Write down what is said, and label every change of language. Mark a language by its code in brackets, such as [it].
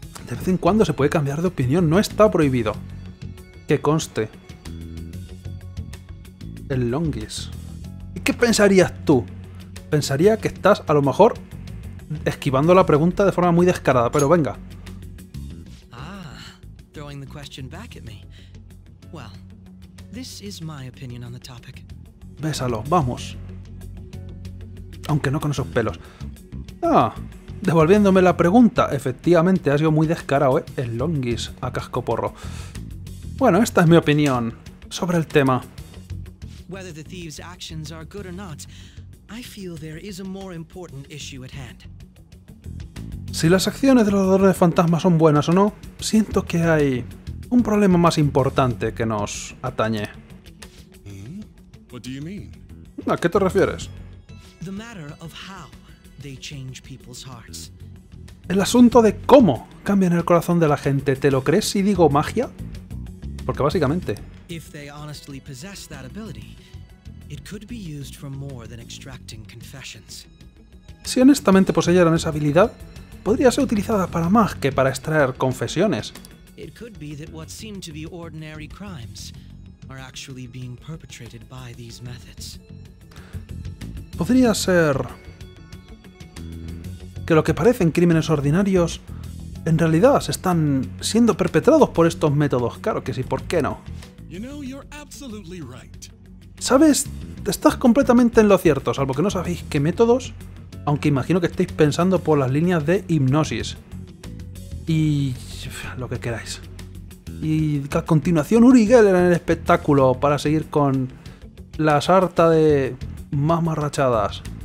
[es] De vez en cuando se puede cambiar de opinión, no está prohibido. Que conste. El Longis. ¿Y qué pensarías tú? Pensaría que estás, a lo mejor, esquivando la pregunta de forma muy descarada, pero venga. [en] Ah, throwing the question back at me. Well, this is my opinion on the topic. [es] Bésalo, vamos. Aunque no con esos pelos. Ah, devolviéndome la pregunta, efectivamente, ha sido muy descarado, ¿eh? El Longis a casco porro. Bueno, esta es mi opinión sobre el tema. [en] Whether the thieves' actions are good or not, I feel there is a more important issue at hand. [es] Si las acciones de los ladrones de fantasmas son buenas o no, siento que hay un problema más importante que nos atañe. [en] What do you mean? [es] ¿A qué te refieres? [en] The matter of how they change people's hearts. [es] El asunto de cómo cambian el corazón de la gente, ¿te lo crees si digo magia? Porque básicamente. [en] If they honestly possess that ability, it could be used for more than extracting confessions. [es] Si honestamente poseyeran esa habilidad, podría ser utilizada para más que para extraer confesiones. [en] It could be that what seem to be ordinary crimes are actually being perpetrated by these methods. [es] Podría ser que lo que parecen crímenes ordinarios en realidad se están siendo perpetrados por estos métodos. Claro que sí, ¿por qué no? [en] You know, you're absolutely right. [es] ¿Sabes? Estás completamente en lo cierto, salvo que no sabéis qué métodos, aunque imagino que estéis pensando por las líneas de hipnosis. Y lo que queráis. Y a continuación, Uri Geller en el espectáculo para seguir con la sarta de mamarrachadas.